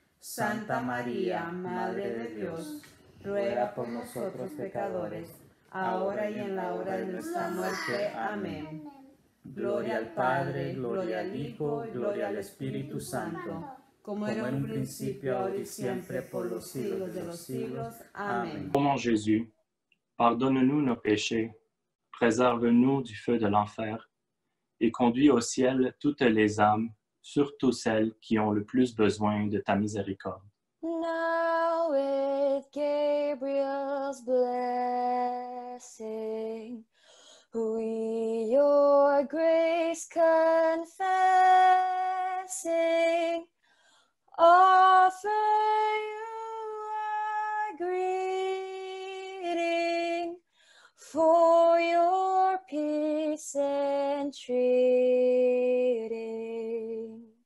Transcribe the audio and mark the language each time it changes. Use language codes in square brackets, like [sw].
[es] Santa María, Madre de Dios, ruega por nosotros pecadores, ahora y en la hora de nuestra muerte. Amén. Gloria al Padre, gloria al Hijo, gloria al Espíritu Santo, como era en un principio, ahora y siempre, por los siglos de los siglos. Amén. [fr] Comment Jésus, pardonne-nous nos péchés, préserve-nous du feu de l'enfer et conduis au ciel toutes les âmes, surtout celles qui ont le plus besoin de ta miséricorde. [en] Now with Gabriel's blessing, we your grace confessing, offer you a greeting for your peace entreating.